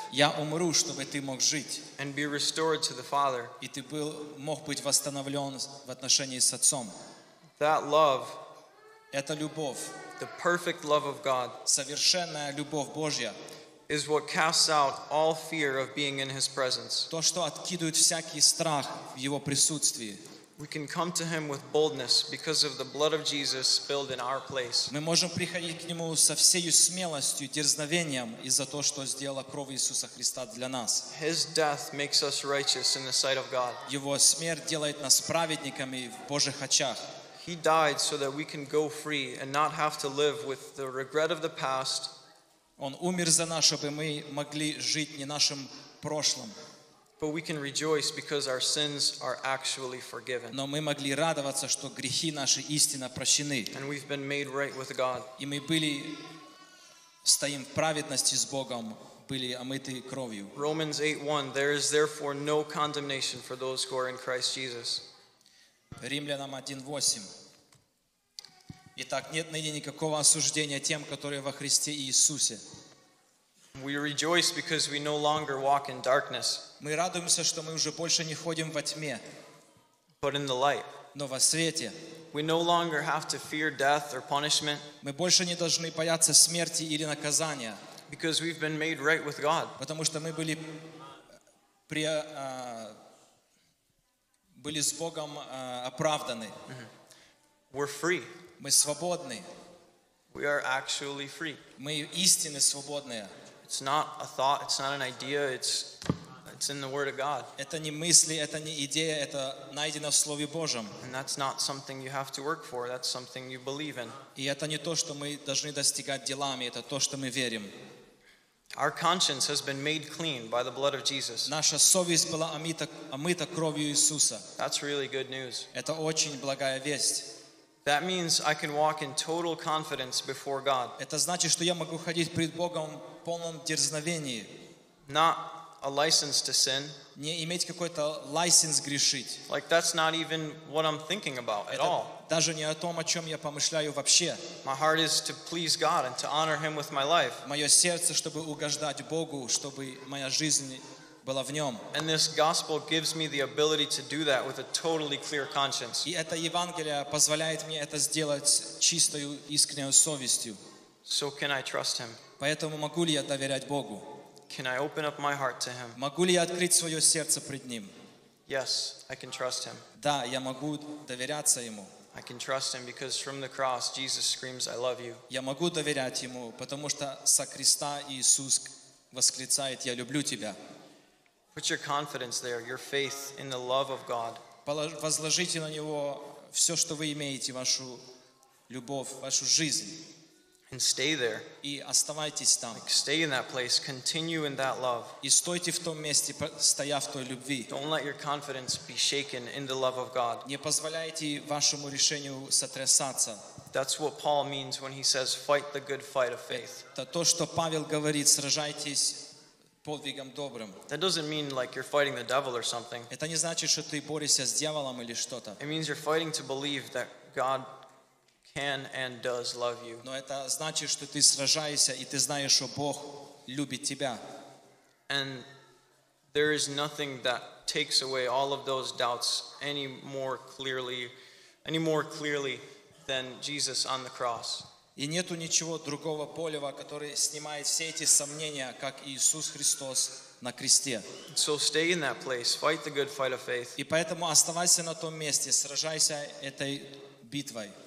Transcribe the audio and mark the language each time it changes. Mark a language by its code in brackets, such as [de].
[ru] Я умру, чтобы ты мог жить. [en] And be restored to the Father. [ru] И ты был мог быть восстановлен в отношении с Отцом. [en] That love. [ru] Эта любовь. [en] The perfect love of God. [ru] Совершенная любовь Божья. [en] Is what casts out all fear of being in His presence. [ru] То, что откидывает всякий страх в Его присутствии. [en] We can come to Him with boldness because of the blood of Jesus spilled in our place. [ru] Мы можем приходить к Нему со всей смелостью, дерзновением из-за того, что сделала кровь Иисуса Христа для нас. [en] His death makes us righteous in the sight of God. [ru] Его смерть делает нас праведниками в Божьих очах. [en] He died so that we can go free and not have to live with the regret of the past. [ru] Он умер за нас, чтобы мы могли жить не нашим прошлым. [en] But we can rejoice because our sins are actually forgiven. [ru] Но мы могли радоваться, что грехи наши истинно прощены. [en] And we've been made right with God. [ru] И мы были стоим в праведности с Богом, были омыты кровью. [en] Romans 8:1. There is therefore no condemnation for those who are in Christ Jesus. [ru] Римлянам 1:8. Итак, нет ныне никакого осуждения тем, которые во Христе Иисусе. [en] We rejoice because we no longer walk in darkness. [ru] Мы радуемся, что мы уже больше не ходим во тьме. [en] But in the light. [ru] Но во свете. [en] We no longer have to fear death or punishment. [ru] Мы больше не должны бояться смерти или наказания. [en] Because we've been made right with God. [ru] Потому что мы были при были с Богом оправданы. [en] We're free. [ru] Мы свободны. [en] We are actually free. [ru] Мы истинно свободные. [en] It's not a thought, it's not an idea, it's in the Word of God. [ru] Это не мысли, это не идея, это найдено в Слове Божьем. [en] And that's not something you have to work for, that's something you believe in. [ru] И это не то, что мы должны достигать делами, это то, что мы верим. [en] Our conscience has been made clean by the blood of Jesus. [ru] Наша совесть была омыта кровью Иисуса. [en] That's really good news. [ru] Это очень благая весть. [en] That means I can walk in total confidence before God. [ru] Это значит, что я могу ходить пред Богом в полном дерзновении. [en] Not a license to sin. [ru] Не иметь какой-то лиценз грешить. [en] Like that's not even what I'm thinking about at all. [ru] Даже не о том, о чем я помышляю вообще. [en] My heart is to please God and to honor Him with my life. [ru] Мое сердце, чтобы угождать Богу, чтобы моя жизнь была в Нем. [en] And this gospel gives me the ability to do that with a totally clear conscience. [ru] И это Евангелие позволяет мне это сделать чистой, искренней совестью. [en] So can I trust Him? [ru] Поэтому могу ли я доверять Богу? [en] Can I open up my heart to Him? [ru] Могу ли я открыть свое сердце пред Ним? [en] Yes, I can trust Him. [ru] Да, я могу доверяться Ему. [en] I can trust Him because from the cross Jesus screams, "I love you." [ru] Я могу доверять Ему, потому что со креста Иисус восклицает, "Я люблю тебя." [en] Put your confidence there, your faith in the love of God. [ru] Возложите на него все, что вы имеете, вашу любовь, вашу жизнь. [en] And stay there. [ru] И оставайтесь там. [en] Like stay in that place. Continue in that love. [ru] И стойте в том месте, стоя в той любви. [en] Don't let your confidence be shaken in the love of God. [ru] Не позволяйте вашему решению сотрясаться. [en] That's what Paul means when he says, "Fight the good fight of faith." [ru] Это то, что Павел говорит: сражайтесь подвигом добрым. [en] That doesn't mean like you're fighting the devil or something. [ru] Это не значит, что ты борешься с дьяволом или что-то. [en] It means you're fighting to believe that God can and does love you. [ru] Но это значит, что ты сражаешься и ты знаешь, что Бог любит тебя. [en] And there is nothing that takes away all of those doubts any more clearly than Jesus on the cross. [ru] И нету ничего другого полева, который снимает все эти сомнения, как Иисус Христос на кресте. [en] So stay in that place, fight the good fight of faith. [ru] И поэтому оставайся на том месте, сражайся этой битвой.